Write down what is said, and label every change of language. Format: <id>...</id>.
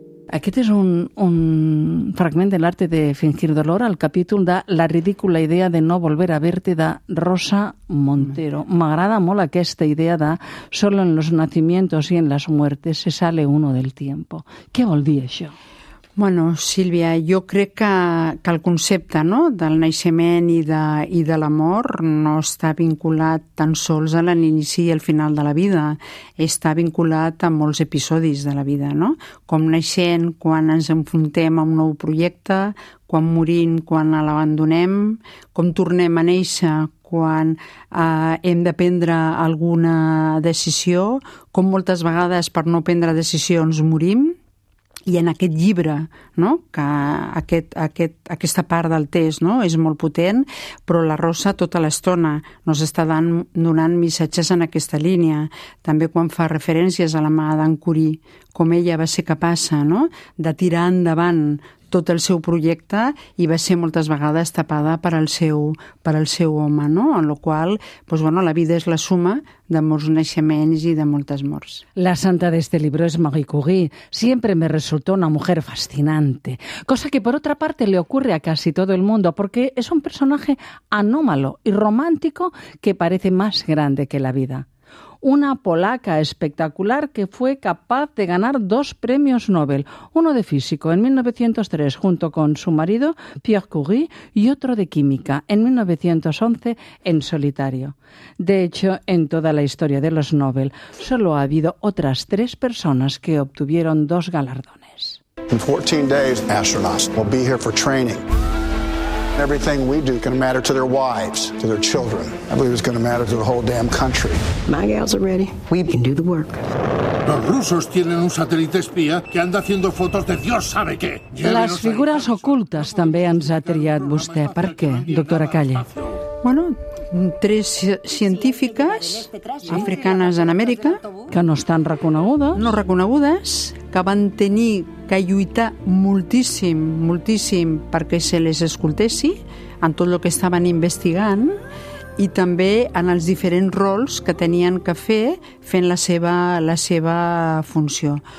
<ca>Aquest és un fragment de l'Arte de fingir dolor al capítol de La ridícula idea de no volver a verte de Rosa Montero. M'agrada molt aquesta idea de</ca> <es>solo en los nacimientos y en las muertes se sale uno del tiempo.</es> <ca>Què vol dir això? Bueno, Sílvia, jo crec que el concepte, no?, del naixement i de la mort no està vinculat tan sols a l'inici i al final de la vida, està vinculat a molts episodis de la vida, no? Com naixent, quan ens enfrontem a un nou projecte, quan morim, quan l'abandonem, com tornem a néixer, quan hem de prendre alguna decisió, com moltes vegades per no prendre decisions morim. I en aquest llibre, no?, que aquesta part del text, no?, és molt potent, però la Rosa tota l'estona ens està donant missatges en aquesta línia. També quan fa referències a la mà d'en Curie, com ella va ser capaç, no?, de tirar endavant tot el seu projecte i va ser moltes vegades tapada per al seu home, no? En lo qual, pues bueno, la vida és la suma de molts naixements i de moltes morts.</ca> <es>La santa d'este libro és Marie Curie. Siempre me resultó una mujer fascinante. Cosa que, por otra parte, le ocurre a casi todo el mundo, porque es un personaje anómalo y romántico que parece más grande que la vida. Una polaca espectacular que fue capaz de ganar 2 premios Nobel, uno de físico en 1903 junto con su marido Pierre Curie y otro de química en 1911 en solitario. De hecho, en toda la historia de los Nobel solo ha habido otras 3 personas que obtuvieron 2 galardones.</es> <en>In 14 days, astronauts will be here for training. Everything we do can matter to their wives, to their children. I believe it's going to matter to the whole damn country. My gals are ready. We can do the work.</en> <es>Los rusos tienen un satélite espía que anda haciendo fotos de Dios sabe qué.</es> <ca>Les figures ocultes també ens ha triat vostè. Per què, doctora Calle? Bueno, 3 científiques africanes en Amèrica que no estan reconegudes. No reconegudes, que van tenir que lluitar moltíssim, moltíssim perquè se les escoltessi en tot el que estaven investigant i també en els diferents rols que tenien que fer fent la seva funció.</ca>